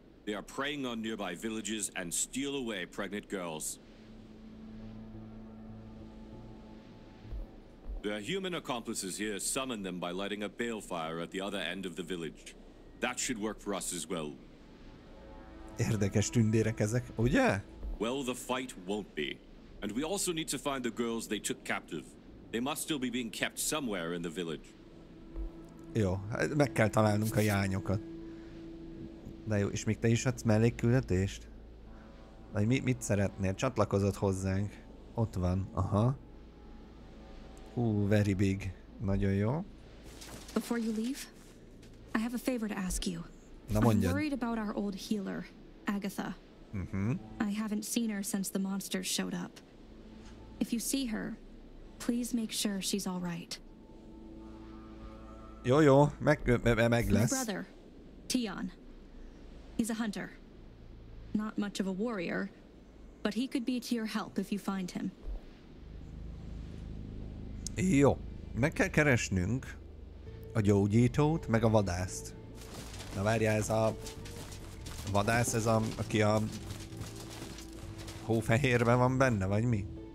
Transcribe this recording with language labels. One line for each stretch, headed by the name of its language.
English: They are preying on nearby villages and steal away pregnant girls. Their human accomplices here summon them by lighting a balefire at the other end of the village. That should work for us as well.
Hungarian: Érdekes tündérek ezek, ugye?
English: Well, the fight won't be. And we also need to find the girls they took captive. They must still be being kept somewhere in the village.
Hungarian: Jó, meg kell találnunk a jányokat. De jó, és még te is adsz mellékküldetést? Vagy mit szeretnél? Csatlakozott hozzánk. Ott van, aha. Hú,
English: very big.
Hungarian: Nagyon jó.
English: Before you leave, I have a favor to ask you.
Hungarian: Na mondjad.
English: I'm worried about our old healer, Agatha. Mhm. I haven't seen her since the monsters showed up. If you see her, please make sure she's all right.
Hungarian: Jó, jó, meg lesz.
English: My brother, Tion. He's a hunter. Not much of a warrior, but he could be to your help if you find him.
Hungarian: Jó, meg kell keresnünk a gyógyítót, meg a vadászt. Na várjál, ez a vadász, ez a, aki a hófehérben van benne, vagy mi?